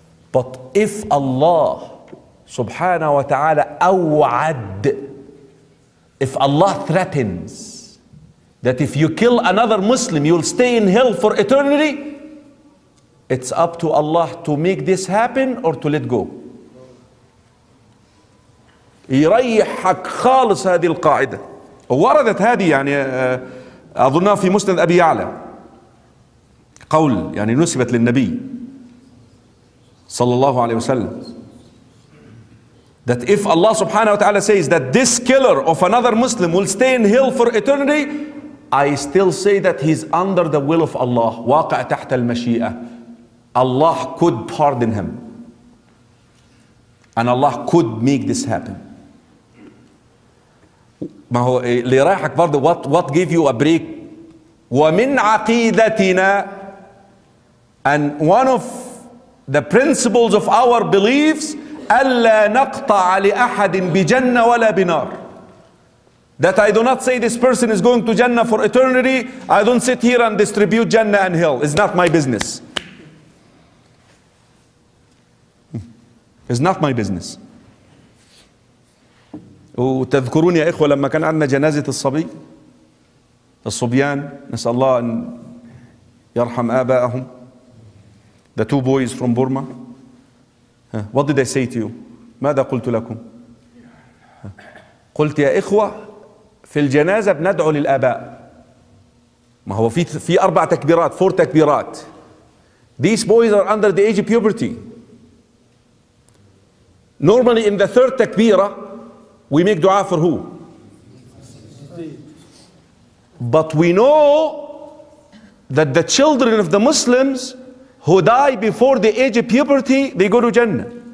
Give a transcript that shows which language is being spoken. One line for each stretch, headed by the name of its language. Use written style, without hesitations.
English: But if Allah subhanahu wa ta'ala awad, if Allah threatens that if you kill another Muslim, you'll stay in hell for eternity, it's up to Allah to make this happen or to let go.
Arabic: يريحك خالص هذه القاعدة. وردت هذه يعني أظنها في مسند أبي يعلى. قول يعني نسبت للنبي صلى الله عليه وسلم.
English: That if Allah subhanahu wa ta'ala says that this killer of another Muslim will stay in hell for eternity, I still say that he's under the will of Allah.
Arabic: واقع تحت المشيئة.
English: Allah could pardon him. And Allah could make this happen.
Arabic: ما هو اللي رايحك برضه
English: what gave you a break.
Arabic: ومن عقيدتنا
English: and one of the principles of our beliefs
Arabic: ألا نقطع لأحد بجنة ولا بنار.
English: That I do not say this person is going to Jannah for eternity. I don't sit here and distribute Jannah and hell. It's not my business. It's not my business.
Arabic: وتذكرون يا إخوة لما كان عندنا جنازة الصبي الصبيان نسأل الله أن يرحم آبائهم.
English: The two boys from Burma. What did I say to you?
Arabic: ماذا قلت لكم؟ قلت يا إخوة في الجنازة بندعو للآباء. ما هو في أربع تكبيرات
English: four
Arabic: تكبيرات.
English: These boys are under the age of puberty. Normally in the third تكبيرة we make dua for who? But we know that the children of the Muslims who die before the age of puberty, they go to Jannah.